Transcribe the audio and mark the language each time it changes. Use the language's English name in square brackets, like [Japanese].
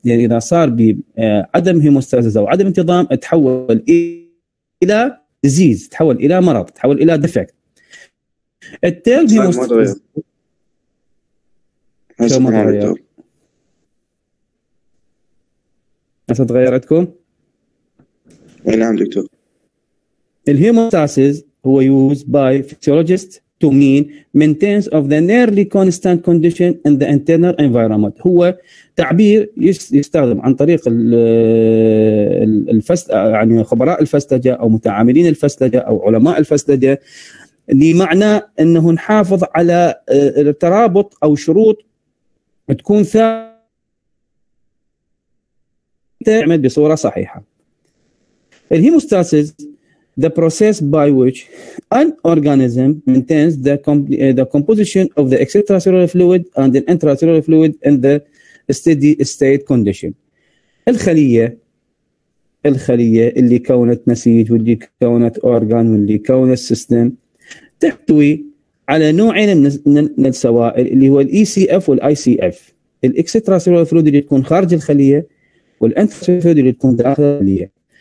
[Arabic] يعني اذا صار بي عدم هيموستاسز او عدم انتظام تحول الى ديزيز، تحول الى مرض، تحول الى ديفكت. التيل هيموستاسز هسه تغيرتكم؟ نعم دكتور. الهيموستاسيس هو [English] used by physiologist to mean maintenance of the nearly constant condition in the internal environment. [Arabic] هو تعبير يستخدم عن طريق الفس يعني خبراء الفسلجة أو متعاملين الفسلجة أو علماء الفسلجة لمعنى أنه نحافظ على الترابط أو شروط تكون تعمل بصورة صحيحة. [English] الهيموستاسيس the process by which an organism maintains the composition of the extracellular fluid and the intracellular fluid in the steady state condition. [Arabic] الخلية اللي كونت نسيج واللي كونت organ واللي كونت system تحتوي على نوعين من السوائل اللي هو ECF والICF. الاكستراسيلولار فلويد اللي تكون خارج الخليه والانتراسيلولار فلويد اللي تكون داخل الخليه.